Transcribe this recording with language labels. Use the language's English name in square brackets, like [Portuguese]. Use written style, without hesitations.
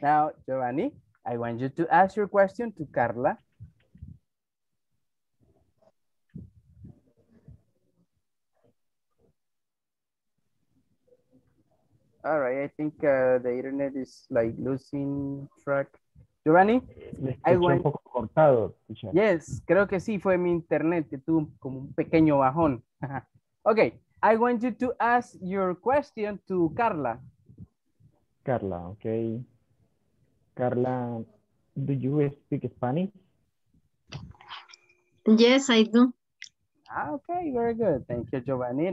[English] Now, Giovanni, I want you to ask your question to Carla. All right. I think the internet is like losing track. Giovanni, I want... [Spanish] Un poco cortado, teacher. [English] Yes, [Spanish] creo que sí. Fue mi internet que tuvo como un pequeño bajón. [English] Okay. I want you to ask your question to Carla. Carla, okay. Carla, do you speak Spanish? Yes, I do. Okay, very good. Thank you, Giovanni.